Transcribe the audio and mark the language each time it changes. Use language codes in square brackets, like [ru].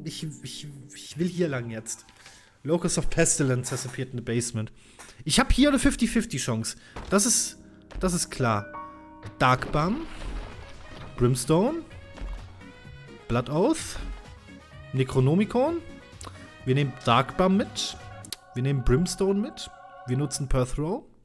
[de] Ich will hier lang jetzt. [en] Locus of Pestilence has appeared in the basement. [de] Ich habe hier eine 50-50-Chance. Das ist klar. Dark Bomb. Brimstone. Blood Oath. Necronomicon. Wir nehmen Dark Bomb mit. Wir nehmen Brimstone mit. Wir nutzen Perthrow.